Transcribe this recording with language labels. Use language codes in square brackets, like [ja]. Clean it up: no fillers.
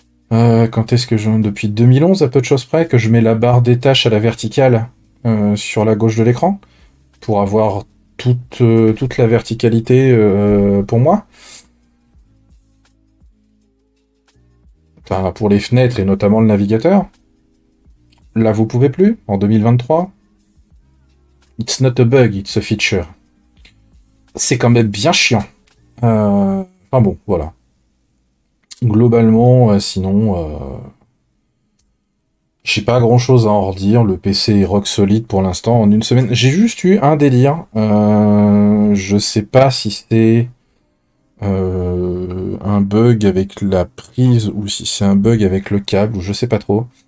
[fr] Quand est-ce que depuis 2011, à peu de choses près, que je mets la barre des tâches à la verticale sur la gauche de l'écran pour avoir toute la verticalité pour moi. Enfin, pour les fenêtres et notamment le navigateur. Là, vous pouvez plus, en 2023. [en] It's not a bug, it's a feature. [fr] C'est quand même bien chiant. Enfin bon, voilà. Globalement, sinon, j'ai pas grand-chose à en redire. Le PC est rock solide pour l'instant. En une semaine, j'ai juste eu un délire. Je sais pas si c'est un bug avec la prise ou si c'est un bug avec le câble ou je sais pas trop.